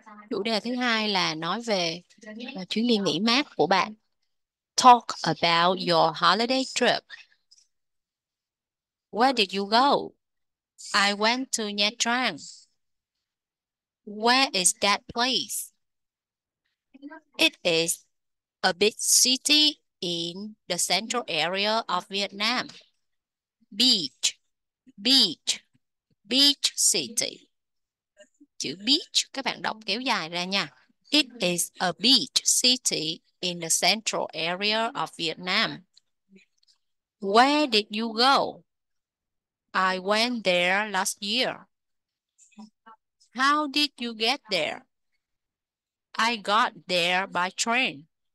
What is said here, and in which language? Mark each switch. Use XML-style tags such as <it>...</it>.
<vi>Chủ đề thứ hai là nói về chuyến đi nghỉ mát của bạn.</vi> <en>Talk about your holiday trip. Where did you go? I went to Nha Trang. Where is that place? is a big city in the central area of Vietnam. Beach, beach, beach city.</en> <vi>Chữ beach các bạn đọc kéo dài ra nha.</vi> <en>It is a beach city in the central area of Vietnam. Where did you go? I went there last year. How did you get there? I got there by train.</en>